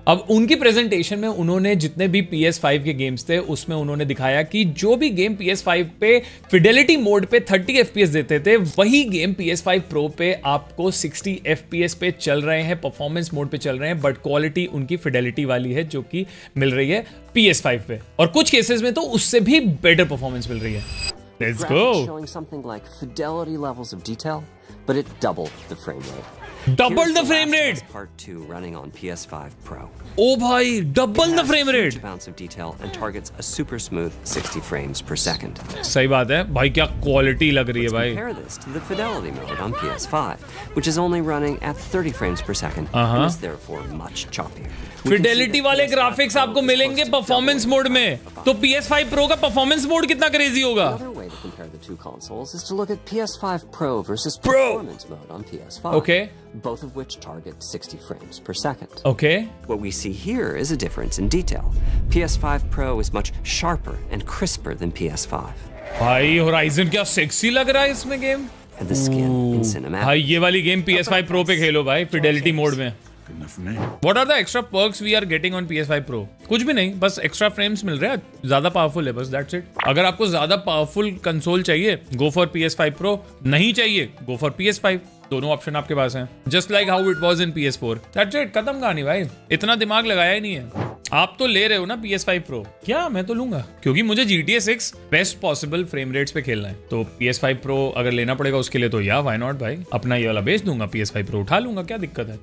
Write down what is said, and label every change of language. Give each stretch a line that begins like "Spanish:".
Hindi: अब उनकी प्रेजेंटेशन में उन्होंने जितने भी PS5 के गेम्स थे उसमें उन्होंने दिखाया कि जो भी गेम PS5 पे फिडेलिटी मोड पे 30 FPS देते थे, वही गेम PS5 Pro पे आपको 60 FPS पे चल रहे हैं, परफॉर्मेंस मोड पे चल रहे हैं, बट क्वालिटी उनकी फिडेलिटी वाली है जो कि मिल रही है PS5 पे, और कुछ केसेस में तो उससे भी बेटर परफॉर्मेंस मिल रही है।
English: Let's go. Showing something like fidelity levels of detail, but it doubled the frame rate. Doubled the frame rate. Part 2 running on PS5 Pro. Oh, bhai, double the frame rate. Amounts of detail and targets a super smooth 60 frames per second.
Hindi: Sahi baat hai, bhai, kya quality lag rahi hai, bhai.
English: Compare this to the fidelity mode on PS5, which is only running at 30 frames per second, and is therefore much choppier.
Hindi: Fidelity वाले graphics आपको मिलेंगे performance mode में, तो PS5 Pro का performance mode कितना crazy होगा?
English: Two consoles is to look at PS5 Pro versus performance mode on PS5. Okay. Both of which target 60 frames per second. Okay. What we see here is a difference in detail. PS5 Pro is much sharper and crisper than PS5.
Hindi: Bhai, Horizon kya sexy lag raha hai isme game?
English: And the skin in cinematic.
Hindi: Bhai, ye wali game PS5 Pro pe khelo bhai, fidelity mode mein.
English: What are the extra perks we are getting on PS5 Pro?
Hindi: कुछ भी नहीं, बस extra frames मिल रहे हैं, ज्यादा powerful है, बस
English: That's it.
Hindi: अगर आपको ज्यादा पावरफुल कंसोल चाहिए,
English: go for
Hindi: PS5 Pro, नहीं चाहिए, गो फॉर PS5, दोनों ऑप्शन आपके पास हैं।
English: just like how it was in PS4, that's it,
Hindi: खत्म कहानी भाई, इतना दिमाग लगाया ही नहीं है। आप तो ले रहे हो ना PS5 Pro? क्या, मैं तो लूंगा, क्योंकि मुझे GTA 6 best possible frame rates पे खेलना है, तो PS5 Pro अगर लेना पड़ेगा उसके लिए तो या
English: why not
Hindi: भाई, अपना ये वाला बेच दूंगा, PS5 Pro उठा लूंगा, क्या दिक्कत है।